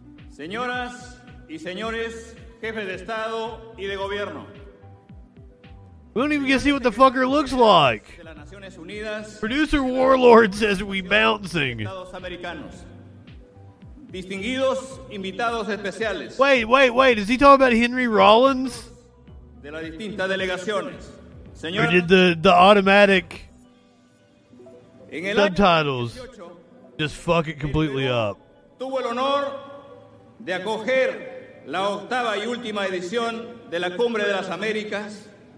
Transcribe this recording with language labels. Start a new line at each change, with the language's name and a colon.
Spanish: Señoras y señores, jefes de Estado y de gobierno.
English: We don't even get to see what the fucker looks like. Producer Warlord says we bouncing.
Spanish: Distinguidos invitados especiales.
English: Wait. Is he talking about Henry Rollins?
Spanish: De las distintas delegaciones.
English: Or did the automatic subtitles just fuck it completely up?
Spanish: Tuvo el honor de acoger la octava y última edición de la Cumbre de las Américas.